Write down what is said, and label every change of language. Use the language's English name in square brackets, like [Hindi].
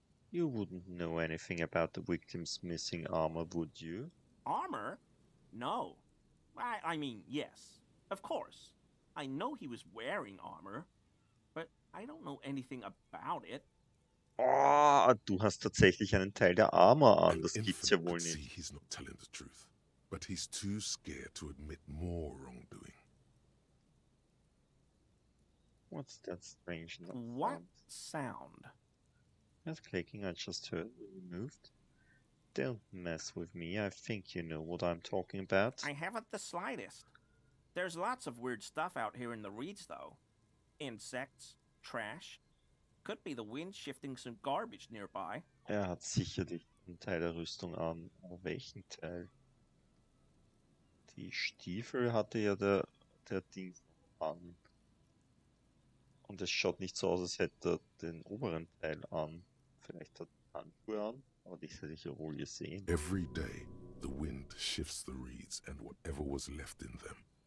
[English] You wouldn't know anything about the victim's missing armor, would you? Armor? No. I mean, yes. Of course. I know he was wearing armor, but I don't know anything about it. [German] Du hast tatsächlich einen Teil der Armor an. Das gibt's ja wohl nicht. [English] He's not telling the truth, but he's too scared to admit more wrongdoing. What's that strange noise? What sound? That clicking I just heard when you moved. Don't mess with me, I think you know what I'm talking about. I haven't the slightest. There's lots of weird stuff out here in the reeds, though. Insects, trash. Could be the wind shifting some garbage nearby. [German] Hat sicherlich einen Teil der Rüstung an. Welchen Teil? Die Stiefel hatte ja der Ding an. Und es schaut nicht so aus, als hätte er den oberen Teil an. Vielleicht hat er Handschuhe an, aber die hätte ich ja wohl gesehen. [English] Every day, the wind shifts the reeds and whatever was left in them.